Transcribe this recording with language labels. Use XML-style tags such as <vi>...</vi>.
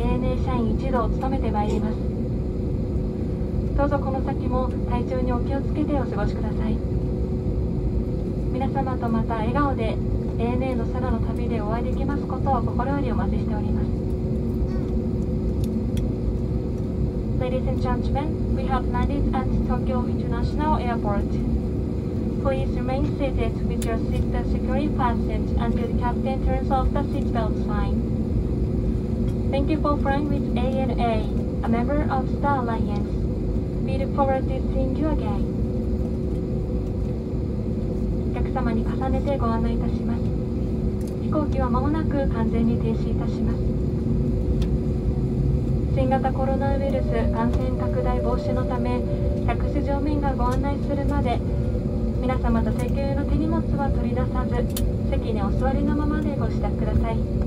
<ja>ANA 社員一同を務めてまいります。どうぞこの先も体調にお気をつけてお過ごしください。皆様とまた笑顔で ANA の空の旅でお会いできますことを心よりお待ちしております。</ja> <en>Ladies and gentlemen, we have landed at Tokyo International Airport. Please remain seated with your seat securely fastened until the captain turns off the seatbelt sign. Thank you for flying with ANA, a member of Star Alliance. We look forward to seeing you again.</en> <ja>お客様に重ねてご案内いたします。飛行機は間もなく完全に停止いたします。新型コロナウイルス感染拡大防止のため客室乗務員がご案内するまで皆様と請求用の手荷物は取り出さず席にお座りのままでご支度ください。</ja>